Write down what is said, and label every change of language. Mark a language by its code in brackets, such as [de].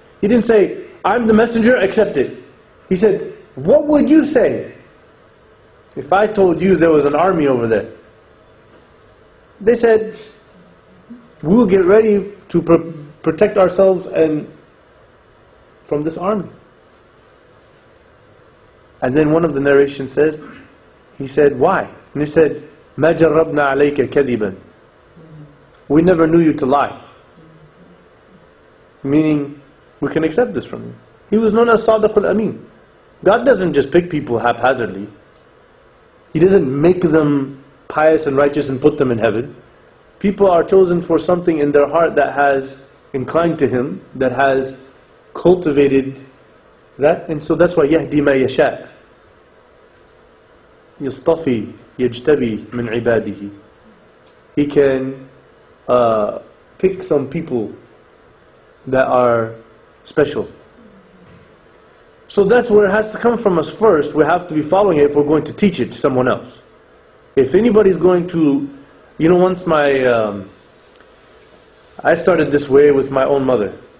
[en] He didn't say, I'm the messenger, accept it. He said, what would you say if I told you there was an army over there? They said, we'll get ready to protect ourselves and from this army. And then one of the narrations says, he said, why? And he said, [ar] مَا جَرَّبْنَا عَلَيْكَ كَذِبًا. [en] We never knew you to lie. Meaning, we can accept this from you. He was known as Sadiq al-Amin. God doesn't just pick people haphazardly. He doesn't make them pious and righteous and put them in heaven. People are chosen for something in their heart that has inclined to him, that has cultivated that. And so that's why [ar] يَهْدِي مَا يَشَاءُ يَصْطَفِي يَجْتَبِي مِنْ عِبَادِهِ. [en] He can pick some people that are special. So that's where it has to come from us first. We have to be following it if we're going to teach it to someone else. If anybody's going to, you know, once my, I started this way with my own mother.